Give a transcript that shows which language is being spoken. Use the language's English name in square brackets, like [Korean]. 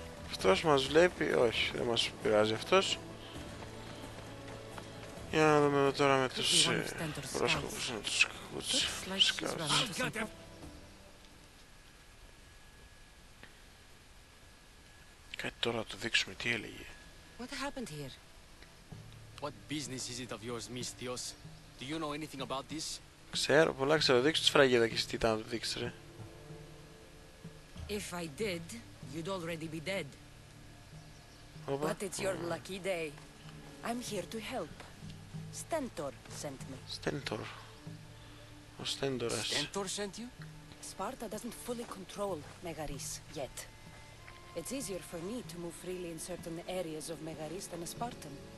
[Greek] Αυτός μας βλέπει, όχι δεν μας πειράζει αυτός. Για να δούμε εδώ τώρα με τους πρόσκοπους να τους σκάψει. Κάτι τώρα να το δείξουμε τι έλεγε. [English] What business is it of yours, Mystios? Do you know anything about this? [Greek] Ξέρω, πολλά ξέρω. Δείξου τη σφραγίδα και εσύ τι ήταν να το δείξεις, ρε. [English] If I did, you'd already be dead. But it's your lucky day. I'm here to help. Stentor sent me. [Greek] Stentor. Ο Στέντορας. [English] Stentor sent you? Sparta doesn't fully control Megaris yet. It's easier for me to move freely in certain areas of Megaris than a Spartan.